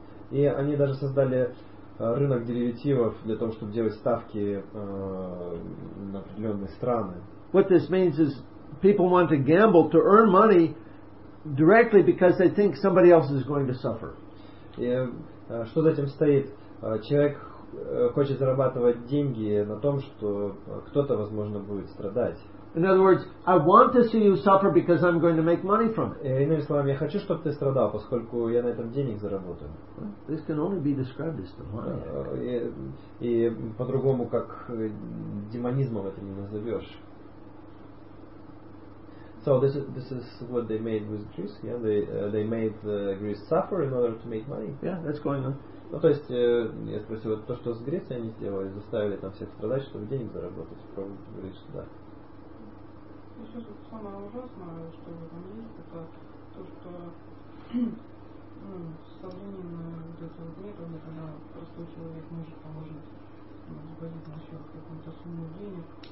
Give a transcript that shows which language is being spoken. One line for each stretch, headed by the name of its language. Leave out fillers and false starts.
Russian: И они даже создали рынок деривативов для того, чтобы делать ставки на определенные страны.
English: What this means is people want to gamble to earn money directly because they think somebody else is going to suffer.
Russian: И что за этим стоит? Человек хочет зарабатывать деньги на том, что кто-то, возможно, будет страдать.
English: In other words, I want to see you suffer because I'm going to make money from it.
Russian: Иными словами, я хочу, чтобы ты страдал, поскольку я на этом денег заработаю.
English: This can only be described as demonic.
Russian: И по-другому как демонизмом это не назовешь.
English: So this is what they made with Greece. Yeah, they made Greece suffer in order to make money. Yeah, that's going on.
Russian: Ну, то есть, я спросил, то, что с Грецией они сделали, заставили там всех страдать, чтобы денег заработать. Пробуют говорить, что да. Самое ужасное, что в этом есть, это то, что современное вот это вот методы, когда простой человек может положить, сбавить на счет какую-то сумму денег,